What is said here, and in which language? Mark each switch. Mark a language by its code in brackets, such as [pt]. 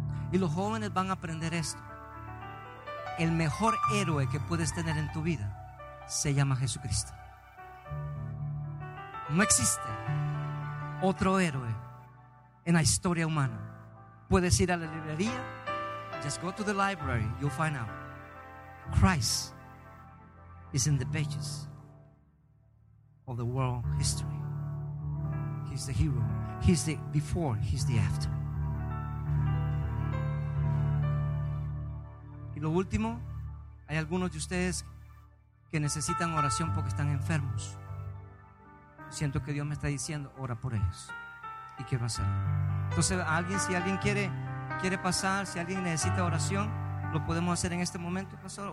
[es] Y los jóvenes van a aprender esto. El mejor héroe que puedes tener en tu vida se llama Jesucristo. No existe otro héroe en la historia humana. Puedes ir a la librería. [en] Just go to the library, you'll find out. Christ is in the pages of the world history. He's the hero. He's the before, he's the after. [es] Lo último, hay algunos de ustedes que necesitan oración porque están enfermos. Siento que Dios me está diciendo, ora por ellos. Y quiero hacerlo. Entonces, si alguien quiere pasar, si alguien necesita oración, lo podemos hacer en este momento, pastor.